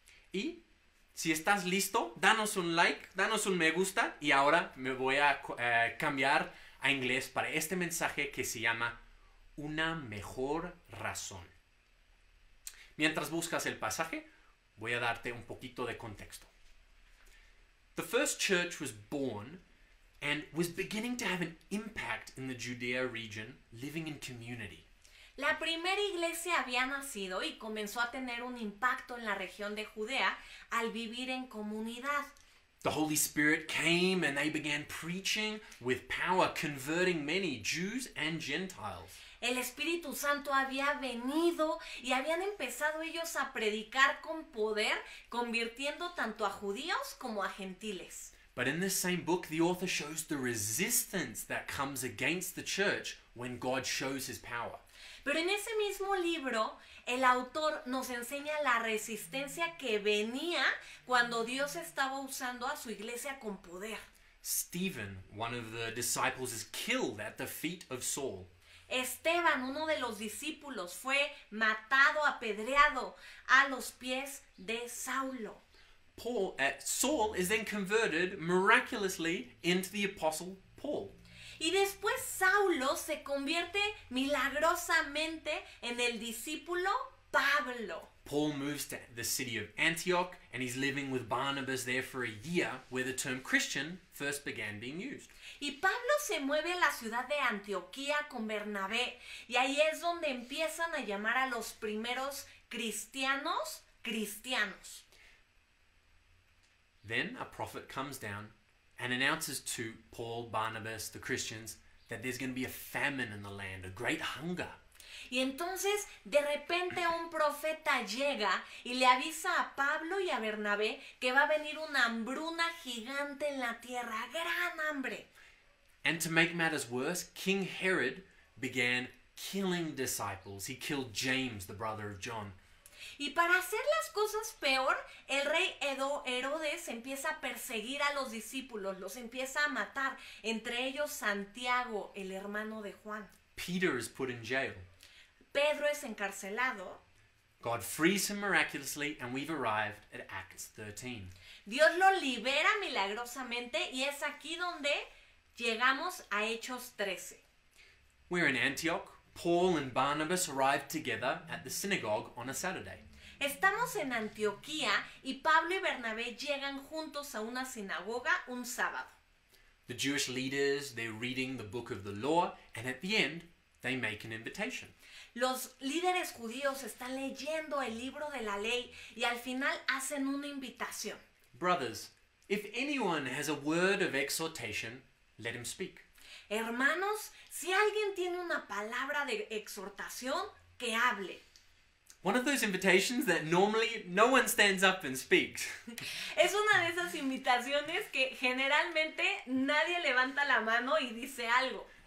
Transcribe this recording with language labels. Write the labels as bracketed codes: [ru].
[es] Y si estás listo, danos un like, danos un me gusta y ahora me voy a cambiar a inglés para este mensaje que se llama Una mejor razón. Mientras buscas el pasaje, voy a darte un poquito de contexto. [en] The first church was born and was beginning to have an impact in the Judea region, living in community. [es] La primera iglesia había nacido y comenzó a tener un impacto en la región de Judea al vivir en comunidad. [en] The Holy Spirit came and they began preaching with power, converting many Jews and Gentiles. [es] El Espíritu Santo había venido y habían empezado ellos a predicar con poder, convirtiendo tanto a judíos como a gentiles. [en] But in this same book, the author shows the resistance that comes against the church when God shows his power. [es] Pero en ese mismo libro, el autor nos enseña la resistencia que venía cuando Dios estaba usando a su iglesia con poder. [en] Stephen, one of the disciples, is killed at the feet of Saul. [es] Esteban, uno de los discípulos, fue matado, apedreado a los pies de Saulo. [en] Saul is then converted miraculously into the apostle Paul. [es] Y después Saulo se convierte milagrosamente en el discípulo Pablo. [en] Paul moves to the city of Antioch and he's living with Barnabas there for a year where the term Christian first began being used. [es] Y Pablo se mueve a la ciudad de Antioquía con Bernabé y ahí es donde empiezan a llamar a los primeros cristianos, cristianos. [en] Then a prophet comes down and announces to Paul, Barnabas, the Christians, that there's going to be a famine in the land, a great hunger. [es] Y entonces, de repente, un profeta llega y le avisa a Pablo y a Bernabé que va a venir una hambruna gigante en la tierra, gran hambre. [en] And to make matters worse, King Herod began killing disciples. He killed James, the brother of John. [es] Y para hacer las cosas peor, el rey Herodes empieza a perseguir a los discípulos, los empieza a matar, entre ellos Santiago, el hermano de Juan. [en] Peter is put in jail. [es] Pedro es encarcelado. [en] God frees him miraculously and we've arrived at Acts 13. [es] Dios lo libera milagrosamente y es aquí donde llegamos a Hechos 13. [en] We're in Antioch. Paul and Barnabas arrived together at the synagogue on a Saturday. [es] Estamos en Antioquía y Pablo y Bernabé llegan juntos a una sinagoga un sábado. [en] The Jewish leaders, they're reading the book of the law and at the end, they make an invitation. [es] Los líderes judíos están leyendo el libro de la ley y al final hacen una invitación. [en] Brothers, if anyone has a word of exhortation, let him speak. [es] Hermanos, si alguien tiene una palabra de exhortación, que hable. [en] One of those invitations that normally no one stands up and speaks. [es] Es una de esas invitaciones que generalmente nadie levanta la mano y dice algo.